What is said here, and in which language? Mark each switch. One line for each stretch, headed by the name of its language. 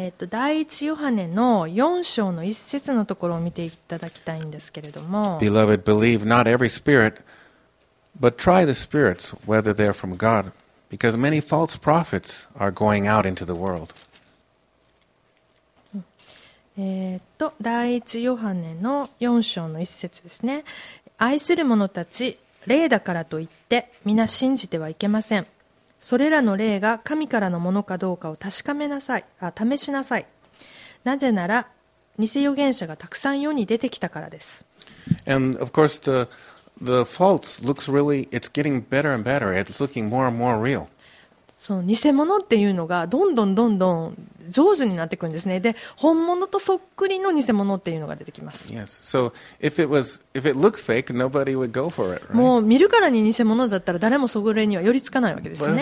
Japanese: 第一ヨハネの4章の1節のところを見ていただきたいんですけれども、
English: Beloved, believe not every spirit, but try the spirits whether they're from God, because many false prophets are going out into the world.
Japanese: 第一ヨハネの4章の1節ですね。愛する者たち、霊だからといって皆信じてはいけません。それらの霊が神からのものかどうかを確かめなさい、試しなさい。なぜなら偽預言者がたくさん世に出てきたからです。
English: And of course the false looks really, it's getting better and better, it's looking more and more real.
Japanese: その偽物っていうのがどんどんどんどん上手になってくるんですね。で、本物とそっくりの偽物っていうのが出てきます。
English: Yes. So if it looked fake, nobody would go for it, right?
Japanese: もう見るからに偽物だったら誰もそれには寄りつかないわけですね。